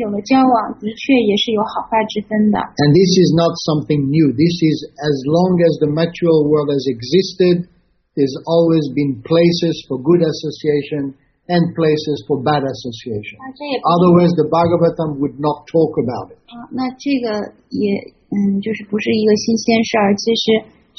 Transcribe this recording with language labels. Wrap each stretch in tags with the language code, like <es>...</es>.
<zh>所以呢，这样的一种联谊，这种的交往，的确也是有好坏之分的。</zh> <en>And this is not something new. This is as long as the material world has existed, there's always been places for good association and places for bad association. Otherwise, the Bhagavatam would not talk about it.</en> <zh>那这个也，就是不是一个新鲜事儿，其实。</zh>